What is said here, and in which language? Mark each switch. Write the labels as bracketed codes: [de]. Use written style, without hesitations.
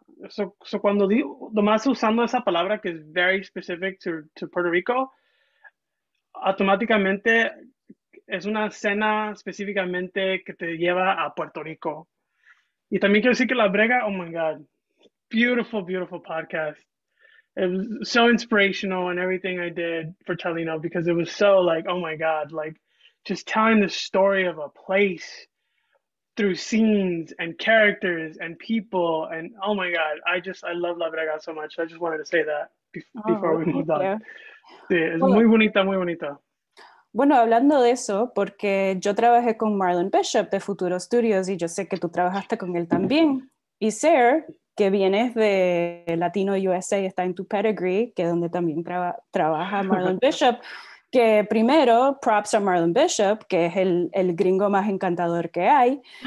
[es] So cuando digo, nomás usando esa palabra que es [en] very specific to Puerto Rico, [es] automáticamente es una escena específicamente que te lleva a Puerto Rico. Y también quiero decir que La Brega, [en] oh my God, beautiful, beautiful podcast. It was so inspirational in everything I did for Chalino because it was so like, oh my God, like just telling the story of a place through scenes and characters and people. And oh my God, I love La Brega so much. I just wanted to say that. before we move on. [es] Sí, es bueno, muy bonita, muy bonita. Bueno, hablando de eso, porque yo trabajé con Marlon Bishop de Futuro Studios y yo sé que tú trabajaste con él también. Y Sayre, que vienes de Latino USA, está en tu pedigree, que es donde también trabaja Marlon Bishop, que primero, props a Marlon Bishop, que es el gringo más encantador que hay.